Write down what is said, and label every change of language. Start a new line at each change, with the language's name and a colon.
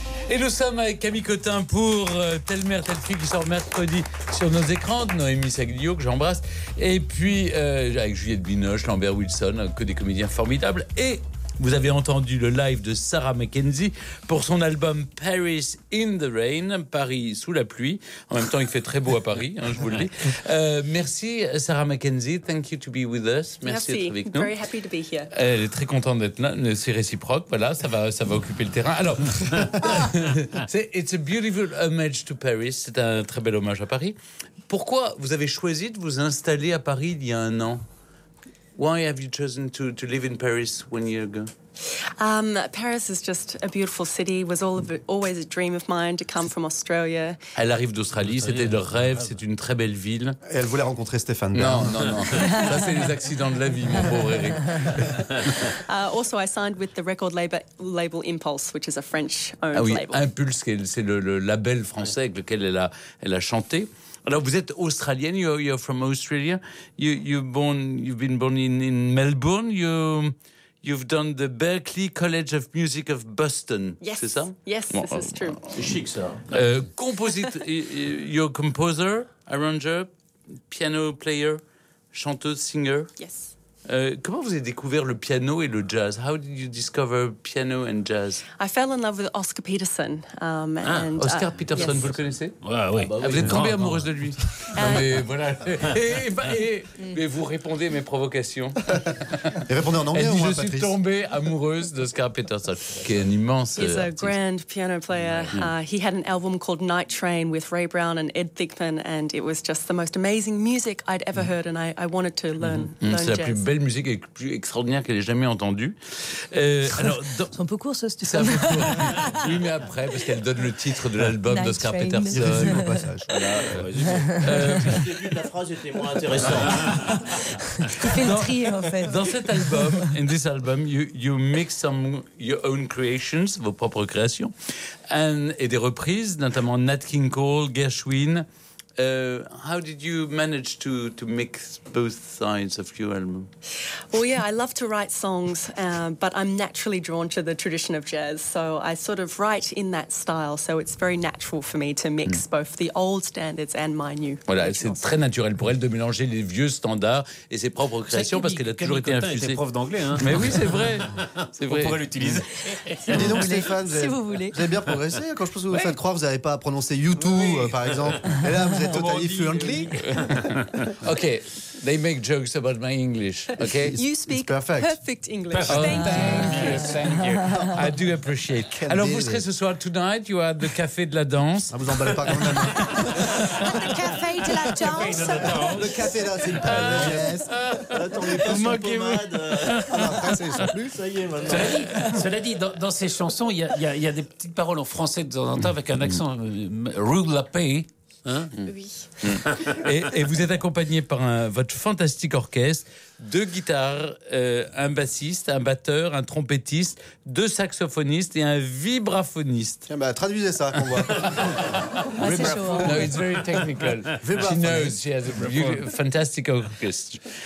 French: Et nous sommes avec Camille Cotin pour Telle mère, telle fille qui sort mercredi sur nos écrans, de Noémie Saglio, que j'embrasse. Et puis avec Juliette Binoche, Lambert Wilson, que des comédiens formidables. Et Vous avez entendu le live de Sarah McKenzie pour son album Paris in the Rain, Paris sous la pluie. En même temps, il fait très beau à Paris, hein, je vous le dis.
English: Merci Sarah McKenzie, thank you to be with us.
French: Merci d'être avec nous.
English: Very happy to be here.
French: Elle est très contente d'être là, c'est réciproque, voilà, ça va occuper le terrain. Alors,
English: it's a beautiful homage to Paris,
French: c'est un très bel hommage à Paris. Pourquoi vous avez choisi de vous installer à Paris il y a un an?
English: Why have you chosen to live in Paris 1 year ago? Paris is just a beautiful city. Was always a dream of mine to come from Australia.
French: Elle arrive d'Australie, c'était le rêve, c'est une très belle ville. Et elle voulait rencontrer Stéphane. Non. Ça, c'est les accidents de la vie, mon pauvre Eric.
English: Also, I signed with the record label Impulse, which is a French-owned label.
French: Ah oui, Impulse, c'est le label français avec lequel elle a chanté. Alors, vous êtes Australienne,
English: you're from Australia. You've been born in Melbourne. You've done the Berklee College of Music of Boston. Yes.
French: C'est ça?
English: Yes,
French: bon,
English: this is true.
French: C'est chic, ça.
English: you're a composer, arranger, piano player, chanteuse, singer. Yes.
French: Comment vous avez découvert le piano et le jazz?
English: How did you discover piano and jazz? I fell in love with Oscar Peterson.
French: Oscar Peterson, yes. Vous le connaissez? Ouais, oui. Vous êtes tombée amoureuse de lui? Non, mais voilà. Mais vous répondez à mes provocations. Et répondez en anglais, elle dit, ou moi, je suis Patrice? Tombée amoureuse d'Oscar Peterson, qui est un immense.
English: He's a grand piano player. He had an album called Night Train with Ray Brown and Ed Thigpen, and it was just the most amazing music I'd ever heard, and I wanted to learn jazz.
French: Belle musique et plus extraordinaire qu'elle ait jamais entendue. C'est un peu court, ça, si tu sais. C'est un peu court. Oui, mais après, parce qu'elle donne le titre de l'album Night d'Oscar Train. Peterson. Il y a eu au passage. Le début de la phrase était moins intéressant. Tu fais le tri, en fait. Dans cet album,
English: in this album, you mix some your own creations,
French: vos propres créations, et des reprises, notamment Nat King Cole, Gershwin.
English: How did you manage to mix both sides of your album? Well, yeah, I love to write songs, but I'm naturally drawn to the tradition of jazz, so I sort of write in that style, so it's very natural for me to mix both the old standards and my new.
French: Voilà, c'est très naturel pour elle de mélanger les vieux standards et ses propres créations, parce qu'elle a toujours été infusée. Camille Cotin était prof d'anglais, hein. Mais oui, c'est vrai. On pourrait l'utiliser. Dis donc, Stéphane, vous avez bien progressé. Quand je pense que vous faites croire, vous n'avez pas à prononcer YouTube, oui. Par exemple. Et là, vous êtes
English: totally fluently. Okay, they make jokes about my English. Okay, you speak perfect English. Thank you. I do appreciate.
French: Alors, vous serez ce soir tonight.
English: You are at the Café de la Danse.
French: Ah, vous emballez pas quand même.
English: The Café de la Danse.
French: Le Café de la Danse. Yes. Attendez, pas moi qui vous. Après, c'est sans plus. Ça y est, maintenant. Cela dit, dans ces chansons, il y a des petites paroles en français de temps en temps avec un accent rue de la paix. Hein? Oui. Et vous êtes accompagné par votre fantastique orchestre, deux guitares, un bassiste, un batteur, un trompettiste, deux saxophonistes et un vibraphoniste. Tiens, bah, traduisez ça, qu'on voit. Ah, c'est chaud.
English: No, it's very technical. She knows she has a fantastic orchestra.